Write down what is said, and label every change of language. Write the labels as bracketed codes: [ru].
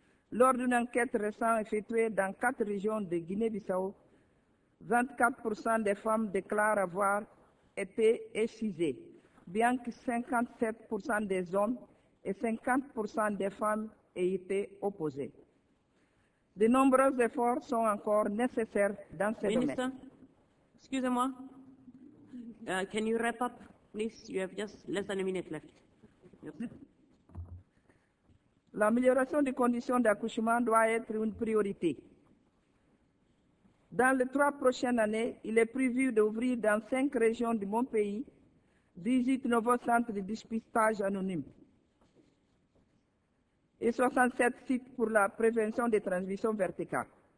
[fr] Lors d'une enquête récente effectuée dans 4 régions de Guinée-Bissau, 24% des femmes déclarent avoir été excisées, bien que 57% des hommes et 50% des femmes aient été opposés. De nombreux efforts sont encore nécessaires dans ce domaine. Ministre, excusez-moi. [en] Can you wrap up, please? You have just less than a minute left. [fr] L'amélioration des conditions d'accouchement doit être une priorité. Dans les 3 prochaines années, il est prévu d'ouvrir dans 5 régions de mon pays 18 nouveaux centres de dépistage anonyme et 67 sites pour la prévention des transmissions verticales.